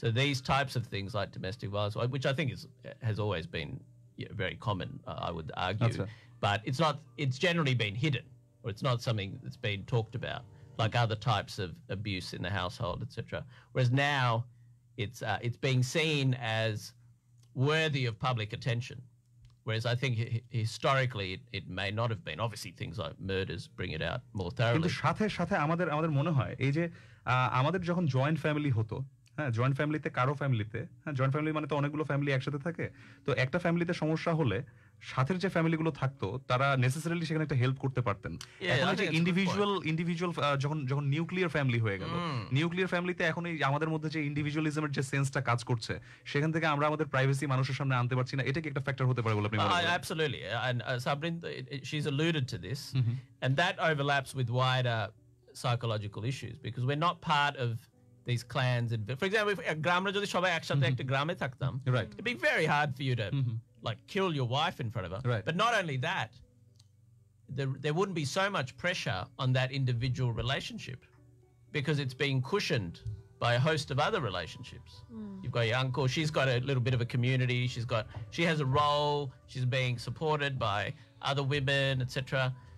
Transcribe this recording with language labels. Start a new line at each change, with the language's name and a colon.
English: So these types of things like domestic violence, which I think has always been very common, I would argue, but it's generally been hidden, or it's not something that's been talked about, like other types of abuse in the household, etc. Whereas now it's being seen as worthy of public attention, whereas I think historically it may not have been. Obviously things like murders bring it out more thoroughly.
Bangla: কিন্তু সাথে সাথে আমাদের মনে হয় এই যে আমাদের যখন জয়েন্ট ফ্যামিলি হতো, হ্যাঁ জয়েন্ট ফ্যামিলিতে কারো ফ্যামিলিতে, হ্যাঁ জয়েন্ট ফ্যামিলি মানে তো অনেকগুলো ফ্যামিলি একসাথে থাকে, তো একটা ফ্যামিলিতে সমস্যা হলে সাথের যে ফ্যামিলিগুলো থাকতো তারা নেসেসারিলি সেখানে একটা হেল্প করতে পারতেন। এখন যে ইন্ডিভিজুয়াল যখন নিউক্লিয়ার ফ্যামিলি হয়ে গেল, নিউক্লিয়ার ফ্যামিলিতে এখন এই আমাদের মধ্যে যে ইন্ডিভিজুয়ালিজমের যে সেন্সটা কাজ করছে সেখান থেকে আমরা আমাদের প্রাইভেসি মানুষের সামনে আনতে পারছি না, এটা কি একটা ফ্যাক্টর হতে পারে বলে আপনি মনে করেন?
English: Absolutely, and Sabrin she is alluded to this, and that overlaps with wider psychological issues, because we are not part of these clans. And for example, if
Bangla: gramra jodi shobai ekshathe ekta grame thaktam,
English: right, it'd be very hard for you to like kill your wife in front of her, right. But not only that, there wouldn't be so much pressure on that individual relationship because it's being cushioned by a host of other relationships. You've got your uncle, she's got a little bit of a community, she has a role, she's being supported by other women, etc.